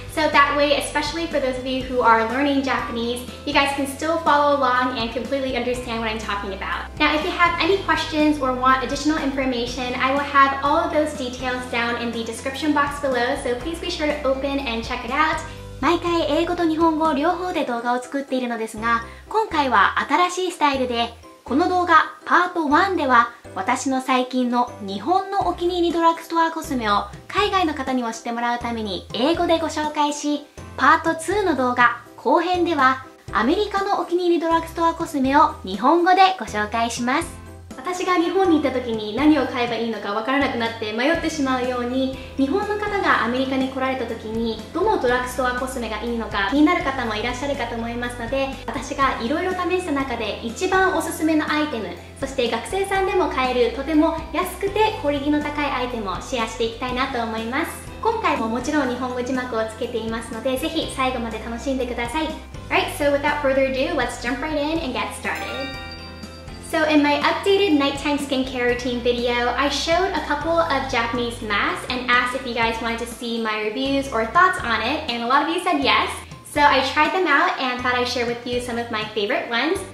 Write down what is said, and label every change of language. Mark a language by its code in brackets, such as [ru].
[en] So that way, especially for those of you who are learning Japanese, you guys can still follow along and completely understand what I'm talking about. Now, if you have any questions or want additional information, I will have all of those details down in the description box below. So please be sure to open and check it out. [ja] 毎回英語と日本語両方で動画を作っているのですが、今回は新しいスタイルで、この動画パート1では私の最近の日本のお気に入りドラッグストアコスメを海外の方にも知ってもらうために英語でご紹介し、パート2の動画後編ではアメリカのお気に入りドラッグストアコスメを日本語でご紹介します。私が日本に行った時に何を買えばいいのか分からなくなって迷ってしまうように日本の方がアメリカに来られた時にどのドラッグストアコスメがいいのか気になる方もいらっしゃるかと思いますので私がいろいろ試した中で一番おすすめのアイテムそして学生さんでも買えるとても安くてクオリティの高いアイテムをシェアしていきたいなと思います今回ももちろん日本語字幕をつけていますのでぜひ最後まで楽しんでください [en] Alright, so without further ado, let's jump right in and get startedSo in my updated nighttime skincare routine video, I showed a couple of Japanese masks and asked if you guys wanted to see my reviews or thoughts on it, and a lot of you said yes. So I tried them out and thought I'd share with you some of my favorite ones.